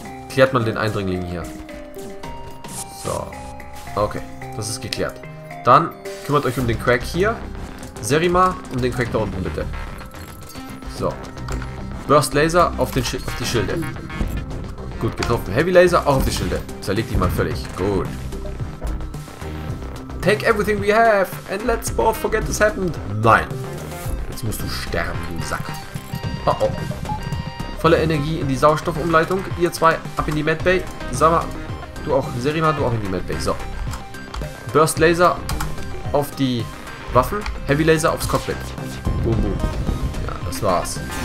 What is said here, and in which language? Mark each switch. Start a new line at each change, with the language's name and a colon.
German: Klärt man den Eindringling hier. So. Okay. Das ist geklärt. Dann kümmert euch um den Crack hier. Serima, um den Crack da unten bitte. So. Burst Laser auf die Schilde. Gut, getroffen. Heavy Laser auch auf die Schilde. Zerlegt die mal völlig. Gut.
English: Take everything we have and let's both forget this happened.
German: Nein. Jetzt musst du sterben, du Sack. Oh oh. Volle Energie in die Sauerstoffumleitung. Ihr zwei ab in die Medbay. Sama, du auch. Serima, du auch in die Medbay. So. Burst Laser auf die Waffen. Heavy Laser aufs Cockpit. Boom, boom. Ja, das war's.